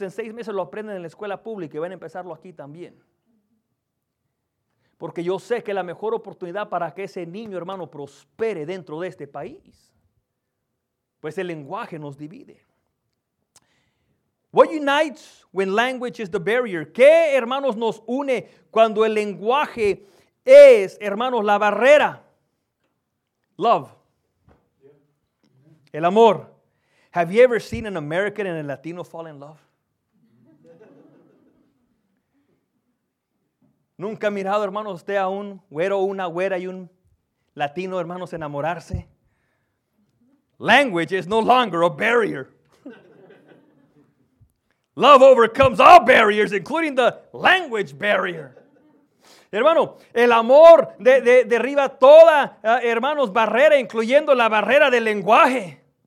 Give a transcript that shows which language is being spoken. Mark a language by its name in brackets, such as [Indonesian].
[Spanish] En 6 meses lo aprenden en la escuela pública y van a empezarlo aquí también. Porque yo sé que la mejor oportunidad para que ese niño, hermano, prospere dentro de este país, pues el lenguaje nos divide. [English] What unites when language is the barrier? [Spanish] ¿Qué, hermanos, nos une cuando el lenguaje es, hermanos, la barrera? [English] Love. [Spanish] El amor. [English] Have you ever seen an American and a Latino fall in love? [Spanish] ¿Nunca ha mirado, hermanos, usted a un güero, una güera y un latino, hermanos, enamorarse? [English] Language is no longer a barrier. Love overcomes all barriers, including the language barrier. [Spanish] Hermano, el amor derriba toda, hermanos, barrera, incluyendo la barrera del lenguaje.